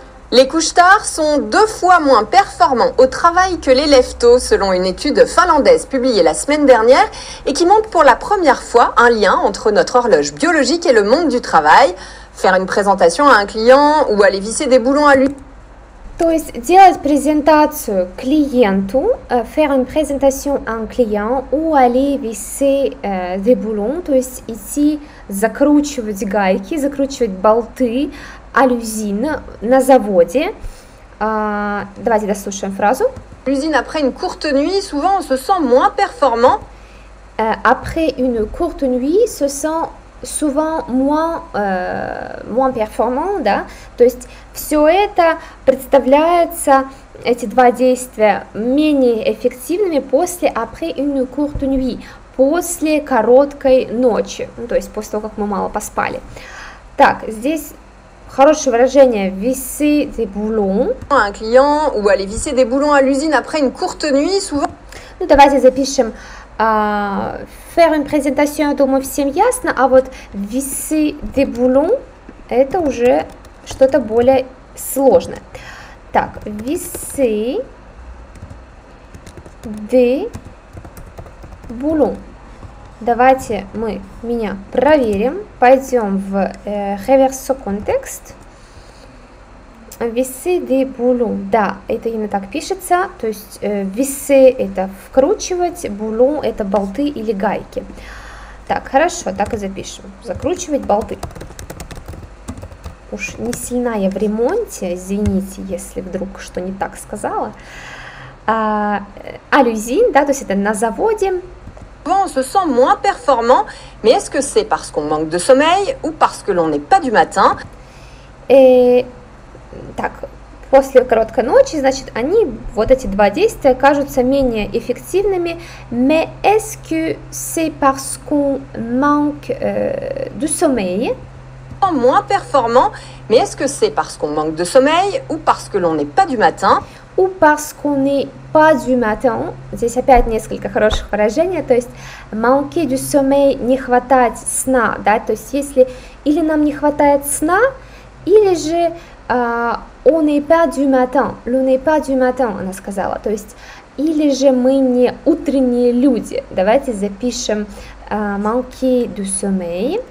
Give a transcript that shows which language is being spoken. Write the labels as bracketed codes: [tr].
[fr] Les couches tard sont deux fois moins performants au travail que les lève-tôt, selon une étude finlandaise publiée la semaine dernière et qui montre pour la première fois un lien entre notre horloge biologique et le monde du travail. Faire une présentation à un client ou aller visser des boulons à lui. [ru] То есть делать презентацию клиенту, [fr] faire une présentation à un client ou aller visser des boulons, [ru] то есть идти закручивать гайки, закручивать болты. [fr] À l'usine, [ru] на заводе. Давайте дослушаем фразу. [fr] L'usine après une courte nuit, souvent on se sent moins performant. Après une courte nuit, se sent souvent moins performant, да? [ru] То есть все это представляется, эти два действия, менее эффективными после [fr] après une courte nuit, [ru] после короткой ночи, ну, то есть после того, как мы мало поспали. Так, здесь хорошее выражение [fr] visser des boulons. Un client ou aller visser des boulons à l'usine après une courte nuit, souvent. [ru] Ну давайте запишем [fr] faire une présentation, [ru] я думаю, всем ясно, а вот [fr] visser des boulons [ru] это уже что-то более сложное. [fr] Так, visser des boulons. [ru] Давайте мы меня проверим. Пойдем в reverso context. [fr] Visser des boulons. [ru] Да, это именно так пишется. То есть visser это вкручивать, boulon это болты или гайки. Так, хорошо, так и запишем. Закручивать болты. Уж не сильна я в ремонте. Извините, если вдруг что не так сказала. L'usine, да, то есть это на заводе. [fr] On se sent moins performant, mais est-ce que c'est parce qu'on manque de sommeil ou parce que l'on n'est pas du matin? [ru] Et так, после короткой ночи, значит, они вот эти два действия кажутся менее эффективными. [fr] Mais est-ce que c'est parce qu'on manque de sommeil? Moins performant, mais est-ce que c'est parce qu'on manque de sommeil ou parce que l'on n'est pas du matin? Ou parce qu'on n'est pas du matin. [ru] Здесь опять несколько хороших выражений, то есть [fr] manquer du sommeil, [ru] не хватать сна, да, то есть если или нам не хватает сна, или же [fr] on n'est pas du matin, [ru] on n'est pas du matin, она сказала, то есть или же мы не утренние люди. Давайте запишем [fr] manquer du sommeil.